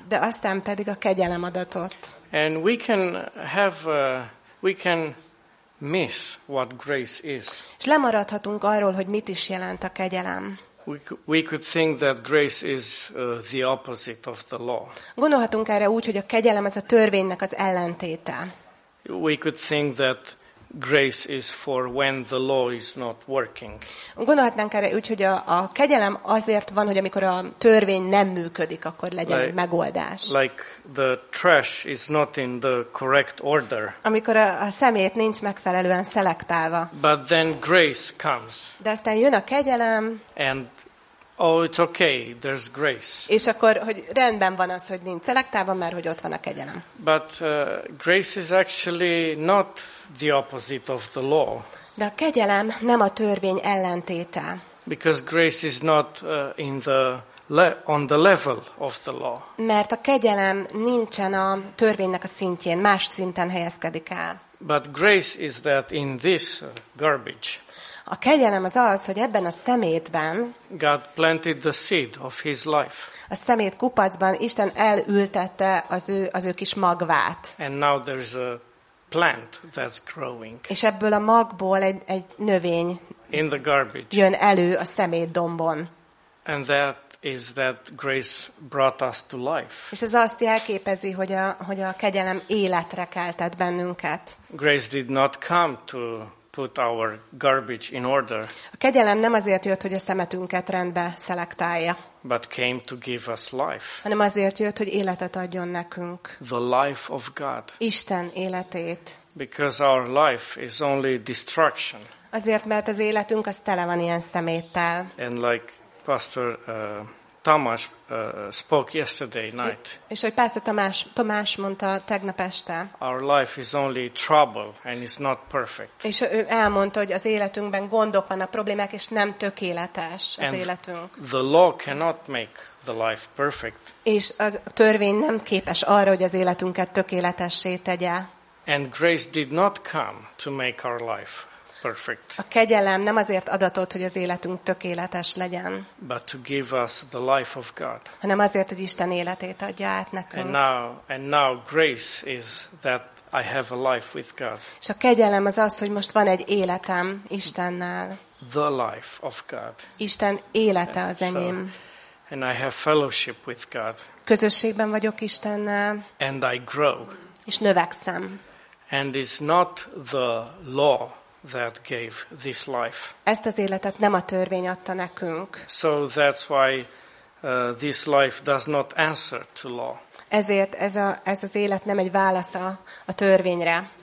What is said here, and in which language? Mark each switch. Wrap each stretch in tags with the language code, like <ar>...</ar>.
<hu>De aztán pedig a kegyelem adatott.</hu> <en>And we can have we can miss what grace is.</en> <hu>És lemaradhatunk arról, hogy mit is jelent a kegyelem.</hu> <en>We could think that grace is the opposite of the law.</en> <hu>Gondolhatunk erre úgy, hogy a kegyelem az a törvénynek az ellentéte.</hu> <en>We could think that grace is for when the law is not working.</en> <hu>Gondolhatnánk erre úgy, hogy a kegyelem azért van, hogy amikor a törvény nem működik, akkor legyen like, megoldás.</hu> <en>Like the trash is not in the correct order.</en> <hu>Amikor a szemét nincs megfelelően szelektálva.</hu> <en>But then grace comes.</en> <hu>De aztán jön a kegyelem.</hu> <en>And oh, it's okay. There's grace.</en> <hu>És akkor, hogy rendben van az, hogy nincs szelektálva, mert hogy ott van a kegyelem.</hu> <en>But grace is actually not the opposite of the law.</en> <hu>De a kegyelem nem a törvény ellentéte.</hu> <en>Because grace is not in the on the level of the law.</en> <hu>Mert a kegyelem nincsen a törvénynek a szintjén, más szinten helyezkedik el.</hu> <en>But grace is that in this garbage.</en> <hu>A kegyelem az az, hogy ebben a szemétben</hu> <en>God planted the seed of his life.</en> <hu>A szemét kupacban Isten elültette az ő kis magvát.</hu> <en>And now there's a plant that's growing.</en> <hu>És ebből a magból egy növény</hu> <en>in the garbage</en> <hu>jön elő a szemétdombon.</hu> <en>And that is that grace brought us to life.</en> <hu>És ez azt jelképezi, hogy a kegyelem életre keltett bennünket.</hu> <en>Grace did not come to put our garbage in order.</en> <hu>A kegyelem nem azért jött, hogy a szemetünket rendbe szelektálja.</hu> <en>But came to give us life.</en> <hu>Hanem azért jött, hogy életet adjon nekünk.</hu> <en>The life of God.</en> <hu>Isten életét.</hu> <en>Because our life is only destruction.</en> <hu>Azért, mert az életünk az tele van ilyen szeméttel.</hu> <en>And like Pastor Tamás spoke yesterday night.</en> <hu>És hogy Pásztor Tamás mondta tegnap este.</hu> <en>Our life is only trouble and it's not perfect.</en> <hu>És ő elmondta, hogy az életünkben gondok vannak, problémák, és nem tökéletes az életünk.</hu> <en>The law cannot make the life perfect.</en> <hu>És az törvény nem képes arra, hogy az életünket tökéletessé tegye.</hu> <en>And grace did not come to make our life perfect.</en> <hu>A kegyelem nem azért adatott, hogy az életünk tökéletes legyen,</hu> <en>but to give us the life of God.</en> <hu>Hanem azért, hogy Isten életét adja át nekünk.</hu> <en>And now grace is that I have a life with God.</en> <hu>És a kegyelem az az, hogy most van egy életem Istennel.</hu> <en>The life of God.</en> <hu>Isten élete az enyém.</hu> <en>And I have fellowship with God.</en> <hu>Közösségben vagyok Istennel.</hu> <en>And I grow.</en> <hu>És növekszem.</hu> <en>And it's not the law that gave this life.</en> <hu>Ezt az életet nem a törvény adta nekünk.</hu> <en>So that's why this life does not answer to law.</en> <hu>Ezért ez az élet nem egy válasz a törvényre.</hu>